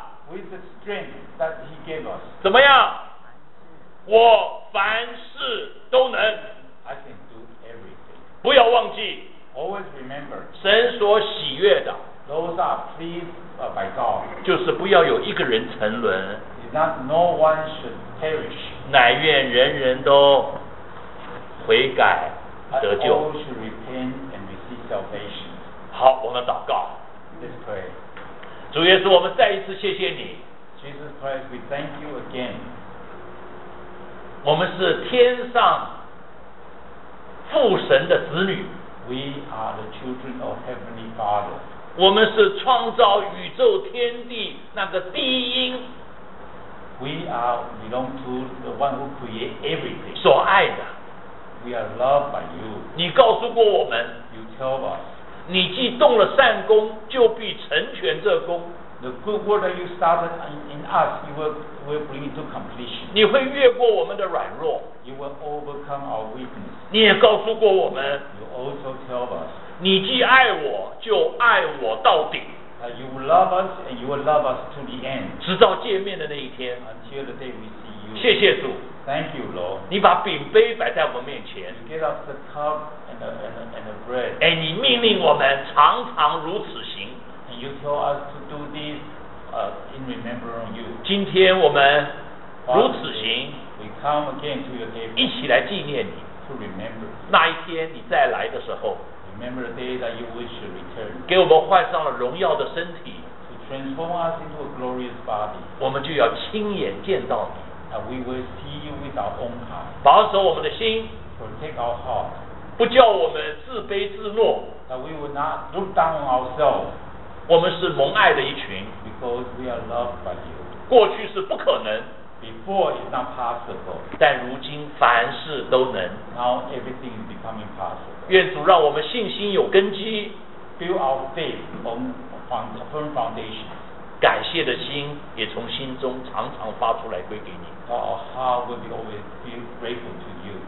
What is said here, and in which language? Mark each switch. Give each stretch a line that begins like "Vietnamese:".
English: With the strength that he gave us.
Chinese: 怎么样？我凡事都能。
English: I can do everything.
Chinese: 不要忘记。
English: Always remember,
Chinese: 神所喜悦的
English: those are pleased by God,
Chinese: 就是不要有一个人沉沦
English: no one should perish,
Chinese: 乃愿人人都悔改得救
English: all should repent and receive salvation.
Chinese: 好我们祷告
English: Let's pray.
Chinese: 主耶稣我们再一次谢谢你
English: Jesus Christ we thank you again
Chinese: 我们是天上父神的子女
English: We are the children of Heavenly Father.
Chinese: 我们是创造宇宙天地那个第一。
English: We are belong to the one who created everything.
Chinese: 所爱的。
English: We are loved by you.
Chinese: 你告诉过我们。
English: You tell us.
Chinese: 你既动了善功，就必成全这功。
English: The good work that you started in us, you will bring it to completion.
Chinese: 你会越过我们的软弱。
English: You will overcome our weakness.
Chinese: 你也告诉过我们。
English: You also tell us.
Chinese: 你既爱我，就爱我到底。
English: You love us and you will love us to the end.
Chinese: 直到见面的那一天。
English: Until the day we see you.
Chinese: 谢谢主。
English: Thank you, Lord.
Chinese: 你把饼杯摆在我们面前。
English: You give us the cup and the bread.
Chinese: 哎，你命令我们常常如此行。
English: And you tell us to do this in remembrance of you.
Chinese: 今天我们如此行。
English: We come come again to your table.
Chinese: 一起来纪念你。
English: To remember.
Chinese: 那一天你再来的时候。
English: Remember the day that you wish to return.
Chinese: 给我们换上了荣耀的身体。
English: To transform us into a glorious body.
Chinese: 我们就要亲眼见到你。
English: And we will see you with our own eyes.
Chinese: 保守我们的心。
English: Protect our heart.
Chinese: 不叫我们自卑自落。
English: That we will not look down on ourselves.
Chinese: 我们是蒙爱的一群。
English: Because we are loved by you.
Chinese: 过去是不可能。
English: Before is not possible.
Chinese: 但如今凡事都能。
English: Now everything is becoming possible.
Chinese: 愿主让我们信心有根基。
English: Build our faith on a firm foundation.
Chinese: 感谢的心也从心中常常发出来归给你。
English: Our heart will be always feel grateful to you.